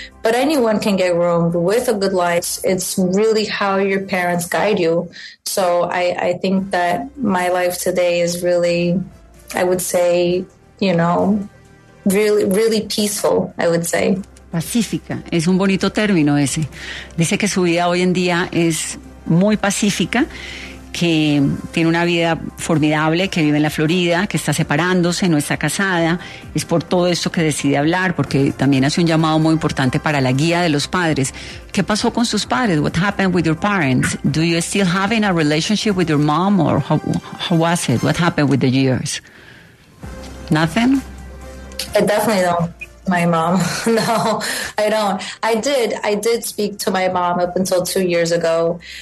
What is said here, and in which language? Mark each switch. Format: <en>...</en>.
<en>But anyone can get groomed with a good life. It's really how your parents guide you. So I think that my life today is really, I would say, you know, really, really peaceful, I would say.</en> <es>Pacífica, es un bonito término ese. Dice que su vida hoy en día es muy pacífica, que tiene una vida formidable, que vive en la Florida, que está separándose, no está casada. Es por todo esto que decide hablar, porque también hace un llamado muy importante para la guía de los padres. ¿Qué pasó con sus padres?</es> <en>What happened with your parents? Do you still have a relationship with your mom, or how was it? What happened with the years? Nothing? I definitely don't speak to my mom. No, I don't. I did speak to my mom up until 2 years ago.</en>